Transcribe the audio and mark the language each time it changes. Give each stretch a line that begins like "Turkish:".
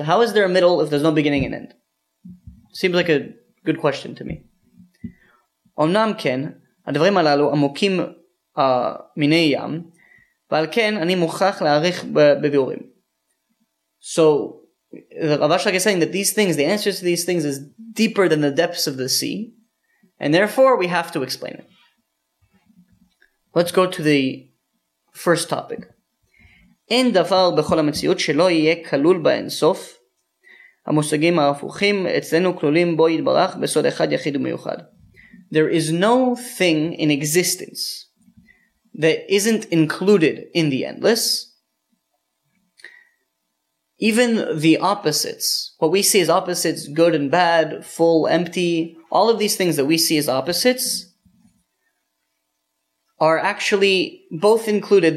English: How is there a middle if there's no beginning and end? Seems like a good question to me.
Hebrew: אמנם כן, הדברים הללו עמוקים מיני ים, ועל כן אני מוכרח להעריך בביורים.
English: So, Rav Ashlag is saying that these things, the answers to these things is deeper than the depths of the sea, and therefore we have to explain it. Let's go to the first topic.
Hebrew: אין דבר בכל המציאות שלא יהיה כלול באינסוף. המושגים ההפוכים אצלנו כלולים בו יתברך בסוד אחד יחיד ומיוחד.
English: There is no thing in existence that isn't included in the endless. Even the opposites, what we see as opposites, good and bad, full, empty, all of these things that we see as opposites are actually both included.